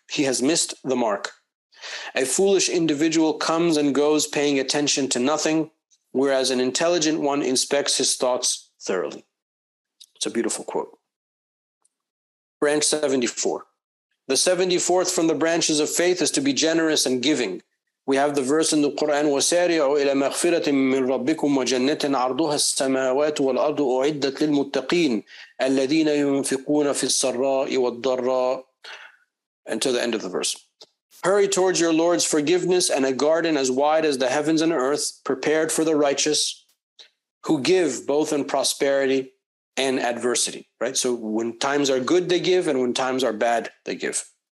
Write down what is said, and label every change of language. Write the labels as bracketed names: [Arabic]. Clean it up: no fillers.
[English] He has missed the mark. A foolish individual comes and goes paying attention to nothing, whereas an intelligent one inspects his thoughts thoroughly." It's a beautiful quote. Branch 74. The 74th from the branches of faith is to be generous and giving. We have the verse in the Quran, [Arabic] وَسَارِعُوا إِلَى مَغْفِرَةٍ مِّن رَبِّكُمْ وَجَنَّةٍ عَرْضُهَا السَّمَاوَاتُ وَالْأَرْضُ أُعِدَّتْ لِلْمُتَّقِينَ الَّذِينَ يُنفِقُونَ فِي السَّرَّاءِ وَالضَّرَّاءِ. [English] Until the end of the verse. Hurry towards your Lord's forgiveness and a garden as wide as the heavens and earth, prepared for the righteous who give both in prosperity and adversity, right? So when times are good, they give, and when times are bad, they give.